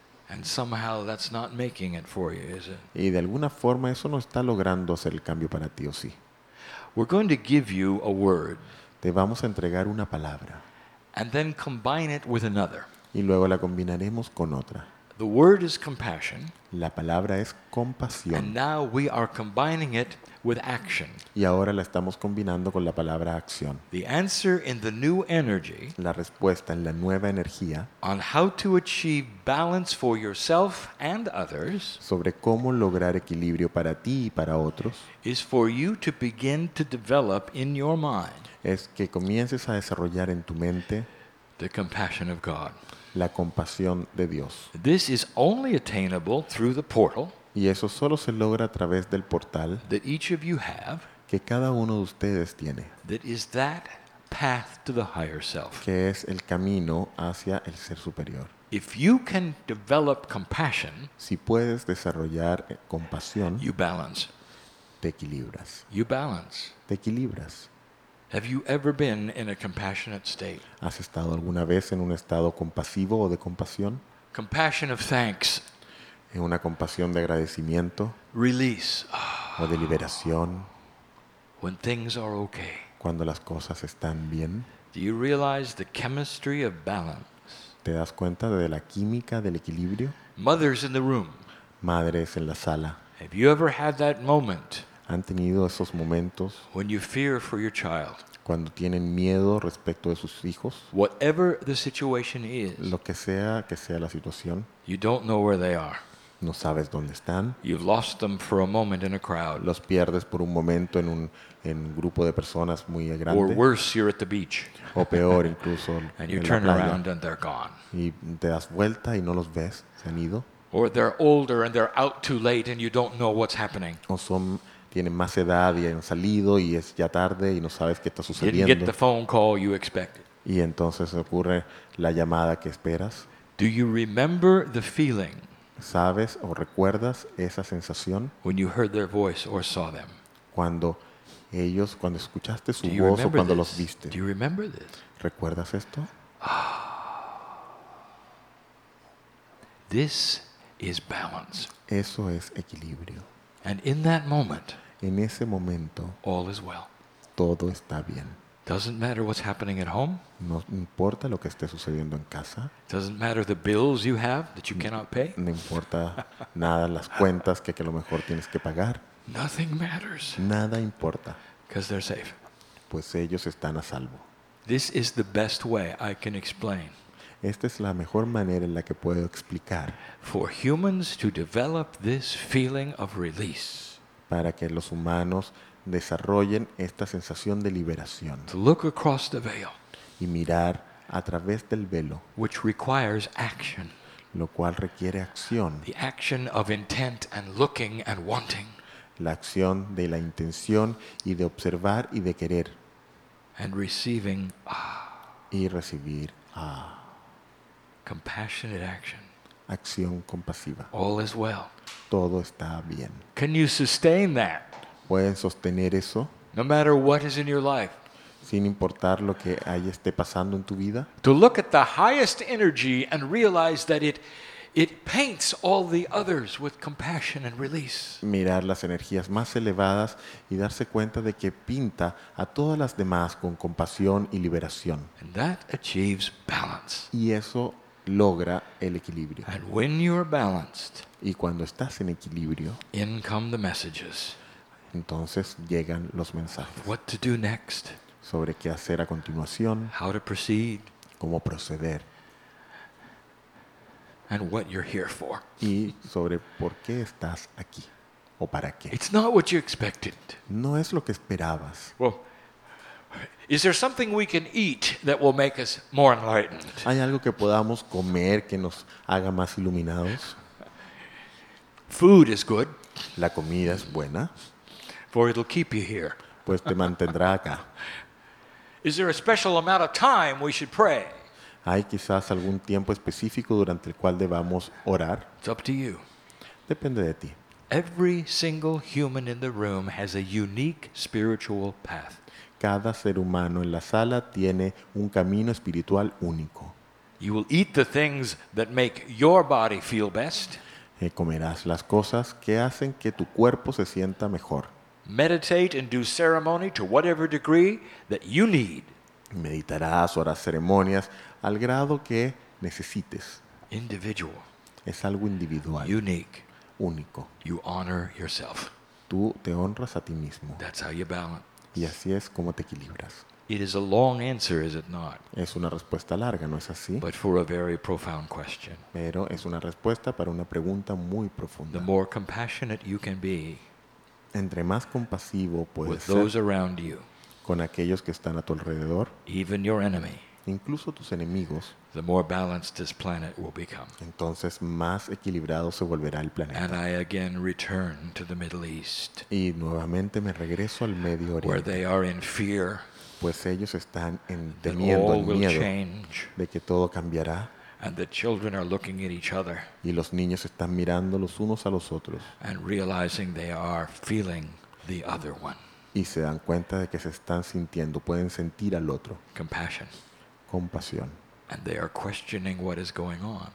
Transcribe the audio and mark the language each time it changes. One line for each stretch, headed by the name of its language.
English: And somehow that's not making it for you, is it?
Spanish: Y de alguna forma eso no está logrando hacer el cambio para ti, ¿o sí?
English: We're going to give you a word.
Spanish: Te vamos a entregar una palabra.
English: And then combine it with another.
Spanish: Y luego la combinaremos con otra.
English: The word is compassion.
Spanish: La palabra es compasión.
English: And now we are combining it with action.
Spanish: Y ahora la estamos combinando con la palabra acción.
English: The answer in the new energy.
Spanish: La respuesta en la nueva energía.
English: On how to achieve balance for yourself and others.
Spanish: Sobre cómo lograr equilibrio para ti y para otros.
English: Is for you to begin to develop in your mind.
Spanish: Es que comiences a desarrollar en tu mente
English: the compassion of God.
Spanish: La compasión de Dios.
English: This is only attainable through the portal.
Spanish: Y eso solo se logra a través del portal
English: that each of you have,
Spanish: que cada uno de ustedes tiene.
English: That is that path to the higher self.
Spanish: Que es el camino hacia el ser superior.
English: If you can develop compassion,
Spanish: si puedes desarrollar compasión,
English: you balance.
Spanish: Te equilibras.
English: You balance.
Spanish: Te equilibras.
English: Have you ever been in a compassionate state?
Spanish: ¿Has estado alguna vez en un estado compasivo o de compasión?
English: Compassion of thanks.
Spanish: En una compasión de agradecimiento.
English: Release.
Spanish: O de liberación.
English: When things are okay.
Spanish: Cuando las cosas están bien.
English: Do you realize the chemistry of balance?
Spanish: ¿Te das cuenta de la química del equilibrio?
English: Mothers in the room.
Spanish: Madres en la sala.
English: Have you ever had that moment?
Spanish: ¿Han tenido esos momentos
English: when you fear for your child,
Spanish: cuando tienen miedo respecto de sus hijos,
English: whatever the situation is,
Spanish: lo que sea la situación,
English: you don't know where they are,
Spanish: no sabes dónde están,
English: you've lost them for a moment in a crowd,
Spanish: los pierdes por un momento en un grupo de personas muy grande,
English: or worse, you're at the beach,
Spanish: o peor incluso
English: and you turn around and they're gone,
Spanish: y te das vuelta y no los ves, se han ido,
English: or they're older and they're out too late and you don't know what's happening,
Spanish: o son tienen más edad y han salido y es ya tarde y no sabes qué está sucediendo.
English: Didn't get the phone call you expected.
Spanish: Y entonces ocurre la llamada que esperas.
English: Do you remember the feeling?
Spanish: ¿Sabes o recuerdas esa sensación?
English: When you heard their voice or saw them.
Spanish: Cuando escuchaste su voz o cuando los viste.
English: Do you remember this?
Spanish: ¿Recuerdas esto?
English: This is balance.
Spanish: Eso es equilibrio.
English: And in that moment,
Spanish: en ese momento,
English: all is well.
Spanish: Todo está bien.
English: Doesn't matter what's happening at home.
Spanish: No importa lo que esté sucediendo en casa.
English: Doesn't matter the bills you have that you cannot pay.
Spanish: No importa nada las cuentas que a lo mejor tienes que pagar.
English: Nothing matters.
Spanish: Nada importa.
English: Because they're safe.
Spanish: Pues ellos están a salvo.
English: This is the best way I can explain.
Spanish: Esta es la mejor manera en la que puedo explicar.
English: For humans to develop this feeling of release.
Spanish: Para que los humanos desarrollen esta sensación de liberación.
English: To look across the veil.
Spanish: Y mirar a través del velo.
English: Which requires action.
Spanish: Lo cual requiere acción.
English: The action of intent and looking and wanting.
Spanish: La acción de la intención y de observar y de querer.
English: And receiving.
Spanish: Y recibir.
English: Compassionate action.
Spanish: Acción compasiva.
English: All is well.
Spanish: Todo está bien.
English: Can you sustain that?
Spanish: ¿Pueden sostener eso?
English: No matter what is in your life.
Spanish: Sin importar lo que ahí esté pasando en tu vida.
English: To look at the highest energy and realize that it It paints all the others with compassion and release.
Spanish: Mirar las energías más elevadas y darse cuenta de que pinta a todas las demás con compasión y liberación.
English: And that achieves balance.
Spanish: Y eso logra el equilibrio.
English: And when you're balanced,
Spanish: y cuando estás en equilibrio,
English: in come the messages.
Spanish: Entonces llegan los mensajes.
English: What to do next?
Spanish: Sobre qué hacer a continuación.
English: How to proceed?
Spanish: Cómo proceder.
English: And what you're here for.
Spanish: Y sobre por qué estás aquí o para qué.
English: It's not what you expected.
Spanish: No es lo que esperabas.
English: Well, is there something we can eat that will make us more enlightened?
Spanish: ¿Hay algo que podamos comer que nos haga más iluminados?
English: Food is good.
Spanish: La comida es buena.
English: For it'll keep you here.
Spanish: Pues te mantendrá acá.
English: Is there a special amount of time we should pray?
Spanish: ¿Hay quizás algún tiempo específico durante el cual debamos orar?
English: It's up to you.
Spanish: Depende de ti.
English: Every single human in the room has a unique spiritual path.
Spanish: Cada ser humano en la sala tiene un camino espiritual único.
English: You will eat the things that make your body feel best.
Spanish: Comerás las cosas que hacen que tu cuerpo se sienta mejor.
English: Meditate and do ceremony to whatever degree that you need.
Spanish: Meditarás o harás ceremonias al grado que necesites.
English: Individual.
Spanish: Es algo individual.
English: Unique.
Spanish: Único.
English: You honor yourself.
Spanish: Tú te honras a ti mismo.
English: That's how you balance.
Spanish: Y así es como te equilibras.
English: It is a long answer, is it not?
Spanish: Es una respuesta larga, ¿no es así?
English: But for a very profound question.
Spanish: Pero es una respuesta para una pregunta muy profunda.
English: The more compassionate you can be.
Spanish: Entre más compasivo puedes
English: with those
Spanish: ser
English: around you,
Spanish: con aquellos que están a tu alrededor,
English: even your enemy,
Spanish: incluso tus enemigos,
English: the more balanced this planet will become.
Spanish: Entonces más equilibrado se volverá el planeta.
English: And I again return to the Middle East,
Spanish: y nuevamente me regreso al Medio Oriente,
English: where they are in fear,
Spanish: pues ellos están en temiendo el miedo
English: change,
Spanish: de que todo cambiará.
English: And the children are looking at each other.
Spanish: Y los niños están mirando los unos a los otros.
English: And realizing they are feeling the other one.
Spanish: Y se dan cuenta de que se están sintiendo, pueden sentir al otro.
English: Compassion.
Spanish: Compasión.
English: And they are questioning what is going on.